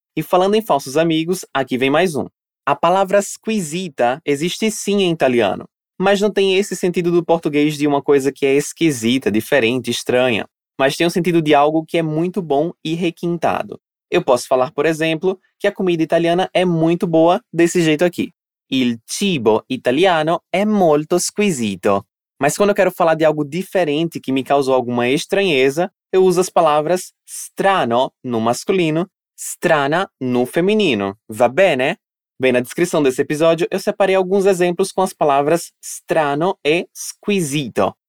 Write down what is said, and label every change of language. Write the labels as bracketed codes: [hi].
[pt] E falando em falsos amigos, aqui vem mais um. A palavra squisita existe sim em italiano, mas não tem esse sentido do português de uma coisa que é esquisita, diferente, estranha. Mas tem o sentido de algo que é muito bom e requintado. Eu posso falar, por exemplo, que a comida italiana é muito boa desse jeito aqui. [it] Il cibo italiano è molto squisito. [pt] Mas quando eu quero falar de algo diferente que me causou alguma estranheza, eu uso as palavras strano no masculino, strana no feminino. [it] Va bene? [pt] Bem, na descrição desse episódio, eu separei alguns exemplos com as palavras strano e squisito.